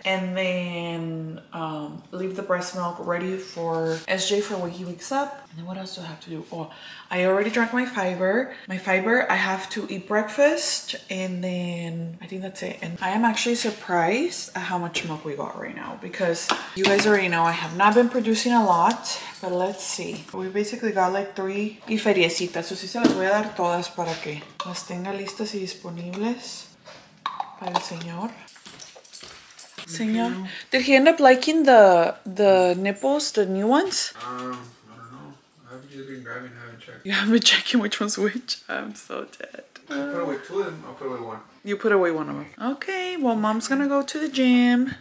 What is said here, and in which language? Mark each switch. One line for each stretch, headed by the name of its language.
English: And then leave the breast milk ready for SJ for when he wakes up. And then what else do I have to do? Oh, I already drank my fiber. I have to eat breakfast. And then I think that's it. And I am actually surprised at how much milk we got right now, because you guys already know I have not been producing a lot. But let's see. We basically got like 3 y feriecitas.
Spanish: So si se las voy a dar todas para que las tenga listas y disponibles para el señor.
English: Señor, did he end up liking the nipples, the new ones? You haven't been checking which one's which. I'm so dead. I put away 2 of them. I'll put away 1. You put away 1 of them. Okay, well, mom's gonna go to the gym.